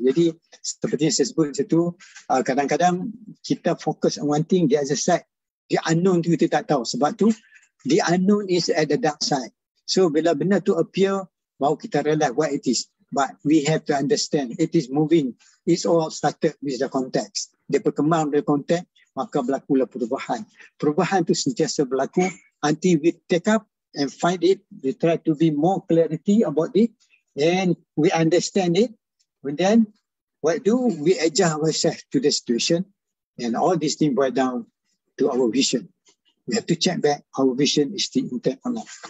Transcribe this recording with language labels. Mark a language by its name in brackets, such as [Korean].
[Malay] Jadi seperti yang saya sebut satu, kadang-kadang kita fokus [English] on one thing, the other side. The unknown [Malay] tu kita tak tahu. Sebab tu, [English] the unknown is at the dark side. So, [Malay] bila benda tu [English] appear, [Malay] baru kita [English] realize what it is. But we have to understand, it is moving. It's all started with the context. [Malay] Dia berkembang dari context, maka berlakulah perubahan. Perubahan tu sentiasa berlaku [English] until we take up and find it. We try to be more clarity about it. And we understand it. And then, what do? We adjust ourselves to the situation. And all these things boil down to our vision. We have to check back our vision is the intent or not.